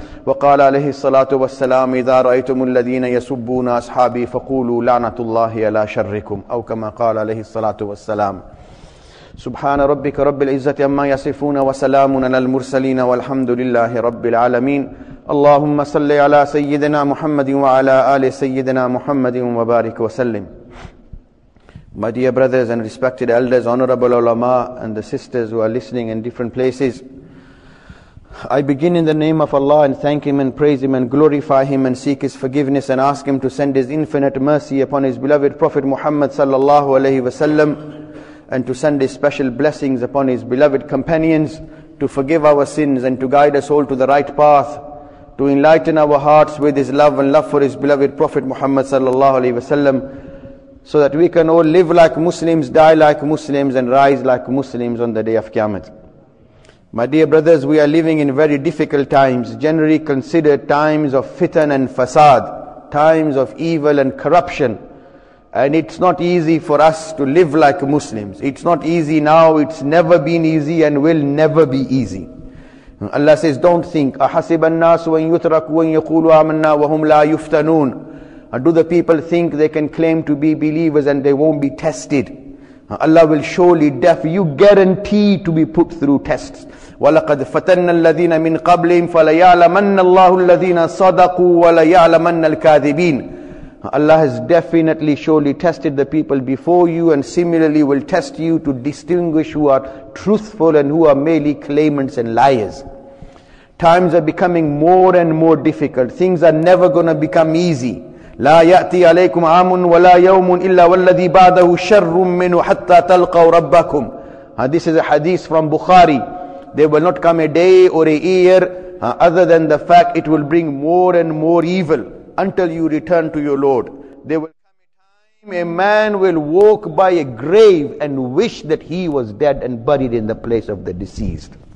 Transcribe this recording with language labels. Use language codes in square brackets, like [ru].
[ar] وقال عليه الصلاة والسلام: إذا رأيتم الذين يسبون أصحابي فقولوا لعنة الله على شركم، أو كما قال عليه الصلاة والسلام: سبحان ربك رب العزة عما يصفون وسلام على المرسلين والحمد لله رب العالمين. اللهم صل على سيدنا محمد وعلى آل سيدنا محمد وبارك وسلم. [en] My dear brothers and respected elders, honorable ulama and the sisters who are listening in different places, I begin in the name of Allah and thank Him and praise Him and glorify Him and seek His forgiveness and ask Him to send His infinite mercy upon His beloved Prophet Muhammad sallallahu alayhi wa sallam, and to send His special blessings upon His beloved companions, to forgive our sins and to guide us all to the right path, to enlighten our hearts with His love and love for His beloved Prophet Muhammad sallallahu alaihi wasallam, so that we can all live like Muslims, die like Muslims, and rise like Muslims on the day of Qiyamah. My dear brothers, we are living in very difficult times, generally considered times of fitan and fasad, times of evil and corruption. And it's not easy for us to live like Muslims. It's not easy now, it's never been easy and will never be easy. Allah says, don't think, [ar] أَحَسِبَ النَّاسُ وَنْ يُتْرَكُوا وَنْ يَقُولُوا آمَنَّا وَهُمْ لَا يُفْتَنُونَ. [en] Do the people think they can claim to be believers and they won't be tested? Allah will surely def you guarantee to be put through tests. [ar] وَلَقَدْ فَتَنَّ الَّذِينَ مِنْ قَبْلِهِمْ فَلَيَعْلَمَنَّ اللَّهُ الَّذِينَ صَدَقُوا وَلَيَعْلَمَنَّ الْكَاذِبِينَ. [en] Allah has definitely surely tested the people before you and similarly will test you to distinguish who are truthful and who are merely claimants and liars. Times are becoming more and more difficult. Things are never going to become easy. [ar] لا يأتي عليكم عام ولا يوم إلا والذي بعده شر منه حتى تلقوا ربكم. [en] This is a hadith from Bukhari. There will not come a day or a year other than the fact it will bring more and more evil until you return to your Lord. There will come a time a man will walk by a grave and wish that he was dead and buried in the place of the deceased.